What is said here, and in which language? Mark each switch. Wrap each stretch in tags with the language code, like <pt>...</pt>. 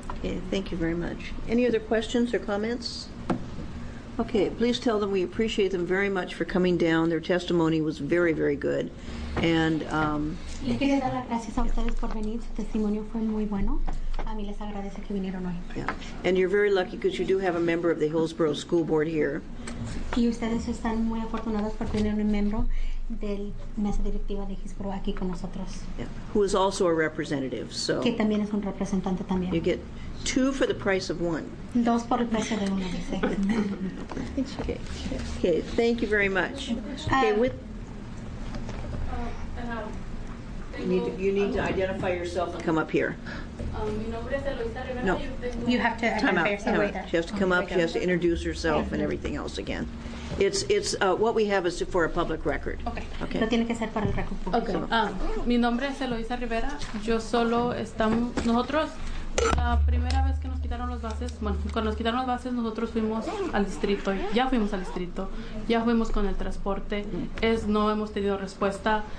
<en>Okay, thank you very much. Any other questions or comments? Okay, please tell them we appreciate them very much for coming down. Their testimony was very, very good. And and you're very lucky because you do have a member of the Hillsborough School Board here.</en> <es>Y ustedes están muy afortunados por tener un miembro del mesa directiva de Hillsborough aquí con nosotros.</es> <en>Yeah. Who is also a representative. So</en> <es>que también es un representante también.</es> <en>You get two for the price of one.</en> <es>Dos por el precio de uno, dice.</es> <en>Okay, thank you very much. Okay, with You need to identify yourself and come up here. No. You have to time out. Yourself time out. She has to come up. She has to introduce herself and everything else again. It's what we have is for a public record. Okay.</en> <es>No tiene que ser para el record público. Okay. Mi nombre es Eloisa Rivera. Yo solo estamos nosotros la primera vez que nos quitaron los bases. Bueno, cuando nos quitaron los bases, nosotros fuimos al distrito. Ya fuimos al distrito. Ya fuimos con el transporte. No hemos tenido respuesta.</es>